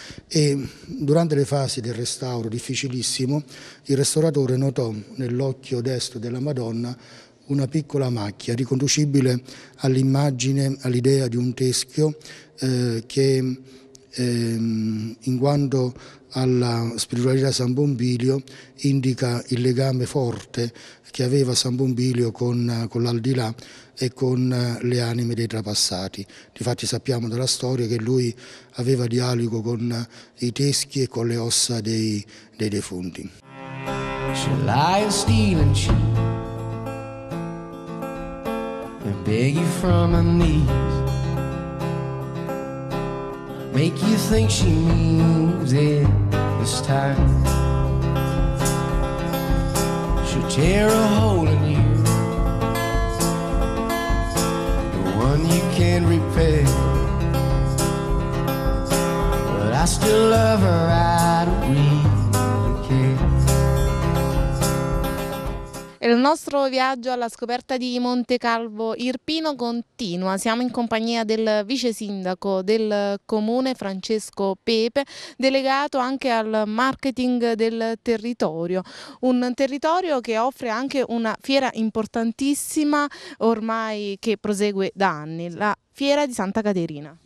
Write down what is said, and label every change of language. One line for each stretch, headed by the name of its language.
Italian: E durante le fasi del restauro, difficilissimo, il restauratore notò nell'occhio destro della Madonna una piccola macchia riconducibile all'immagine, all'idea di un teschio in quanto alla spiritualità di San Bombilio indica il legame forte che aveva San Bombilio con l'aldilà e con le anime dei trapassati. Difatti sappiamo dalla storia che lui aveva dialogo con i teschi e con le ossa dei defunti.
English: She'll lie a stealing sheep. and beg you from her knees. Make you think she means it this time. She'll tear a hole in you, the one you can't repair. But I still love her, I don't really care.
Italian: Il nostro viaggio alla scoperta di Monte Calvo Irpino continua. Siamo in compagnia del vice sindaco del comune, Francesco Pepe, delegato anche al marketing del territorio. Un territorio che offre anche una fiera importantissima, ormai che prosegue da anni, la Fiera di Santa Caterina.